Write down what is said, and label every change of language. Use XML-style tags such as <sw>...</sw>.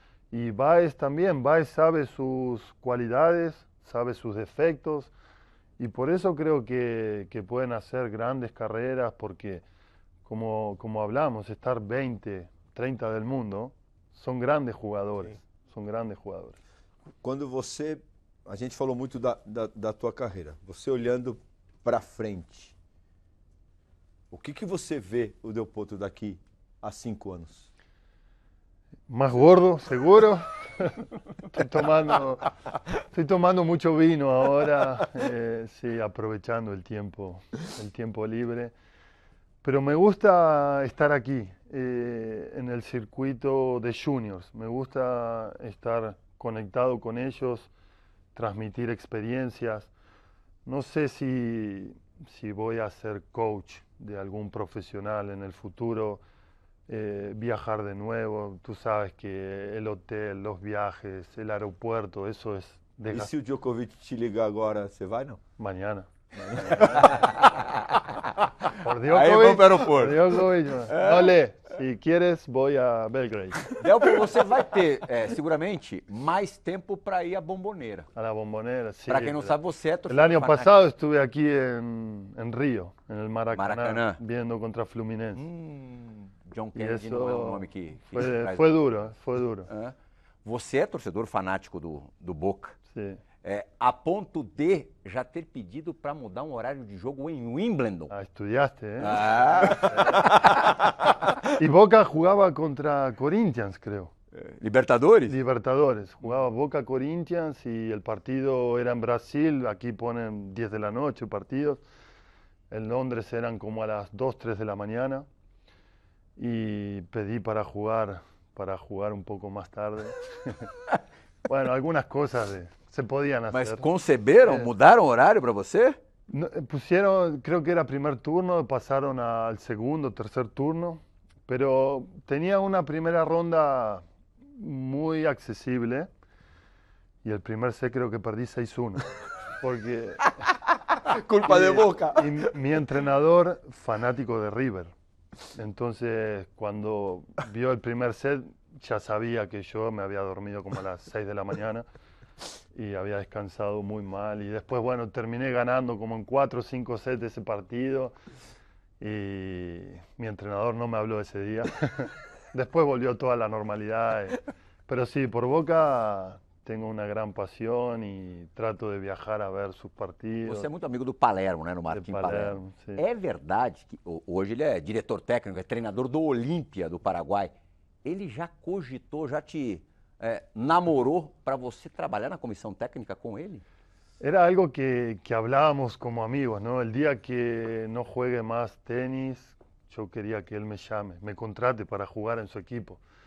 <es>Y Baez también, Baez sabe sus cualidades, sabe sus defectos, y por eso creo que pueden hacer grandes carreras, porque como hablamos, estar 20, 30 del mundo, son grandes jugadores, sí. Son grandes jugadores.</es> <pt>Cuando você, a gente falou muito da tua carreira, você olhando para frente, o que que você vê o Del Potro daqui a 5 anos?</pt> <es>Más gordo, seguro. Estoy tomando mucho vino ahora, sí, aprovechando el tiempo libre. Pero me gusta estar aquí, en el circuito de juniors. Me gusta estar conectado con ellos, transmitir experiencias. No sé si voy a ser coach de algún profesional en el futuro. Viajar de nuevo, tú sabes que el hotel, los viajes, el aeropuerto, eso es... ¿Y si Djokovic te liga ahora, se va, no? Mañana. Por Djokovic. Ahí vamos para el aeropuerto. Vale, si quieres, voy a Belgrade.</es> <pt>Delpo, você vai ter, seguramente,</pt> <es>más tiempo</es> <pt>para ir a Bombonera.</pt> <es>A la Bombonera, sí. Para quien no sabe, você es... El año pasado estuve aquí en Río, en el Maracaná. Viendo contra Fluminense.</es> <pt>John Kennedy não é o nome que... Foi duro. Você é torcedor fanático do Boca. Sim. A ponto de já ter pedido para mudar um horário de jogo em Wimbledon. Ah, estudaste, hein? E Boca jogava contra Corinthians, creio. Libertadores? Libertadores. Jogava Boca-Corinthians e o partido era em Brasil. Aqui ponem 10 da noite o partido. Em Londres eram como às 2, 3 da manhã.</pt> <es>Y pedí para jugar un poco más tarde. Bueno, algunas cosas se podían hacer.</es> <pt>¿Mas conceberon, mudaron horario para você?</pt> <es>Pusieron, creo que era primer turno, pasaron al segundo, tercer turno. pero tenía una primera ronda muy accesible y el primer set creo que perdí 6-1. Porque culpa de Boca. Y mi entrenador, fanático de River. Entonces, cuando vio el primer set, ya sabía que yo me había dormido como a las 6 de la mañana y había descansado muy mal. Y después, bueno, terminé ganando como en 4 o 5 sets de ese partido. Y mi entrenador no me habló ese día. Después volvió toda la normalidad. Pero sí, por Boca tengo una gran pasión y trato de viajar a ver sus partidos.</es> <pt>Você é muito amigo do Palermo, né, no Martín Palermo. Sim. É verdade que hoje ele é diretor técnico, é treinador do Olímpia do Paraguai. Ele já cogitou, já te namorou para você trabalhar na comissão técnica com ele?</pt> <es>Era algo que hablábamos como amigos, ¿no? El día que no juegue más tenis, yo quería que él me llame, me contrate para jugar en su equipo.</es>